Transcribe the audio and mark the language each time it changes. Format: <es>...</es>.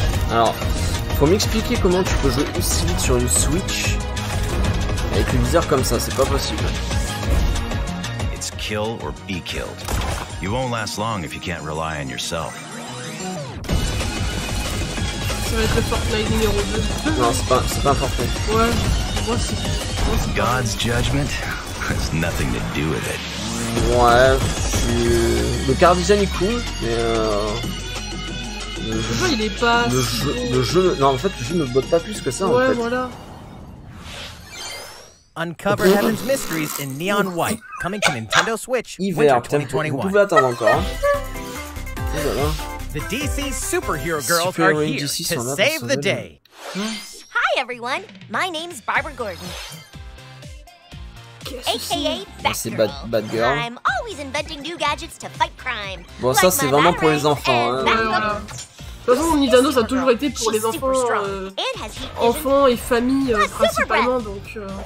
<fr>Alors, faut m'expliquer comment tu peux jouer aussi vite sur une Switch avec une visière comme ça, c'est pas possible.</fr> <en>It's kill or be killed. You won't last long if you can't rely on yourself.</en> <fr>Ça va être le Fortnite numéro 2. Non, c'est pas un Fortnite. Ouais, moi aussi.</fr> <en>God's judgment has nothing to do with it.</en> <fr>Ouais, le car design est cool, mais</fr> <en>Uncover Heaven's mysteries in neon white, coming to Nintendo Switch</en> <fr>hiver,</fr> <en>winter 2021.</en> <fr>Vous pouvez attendre encore.</fr> <en>The DC superhero girls Super are here DC to save the day. Hi everyone, my name's Barbara Gordon. Batgirl.</en> <fr>C'est Batgirl.</fr> <en>I'm always inventing new gadgets to fight crime.</en> <fr>Bon, ça c'est vraiment pour les enfants. Hein. De toute façon, Nidano, ça a toujours été pour les enfants, enfants et famille principalement, donc.</fr>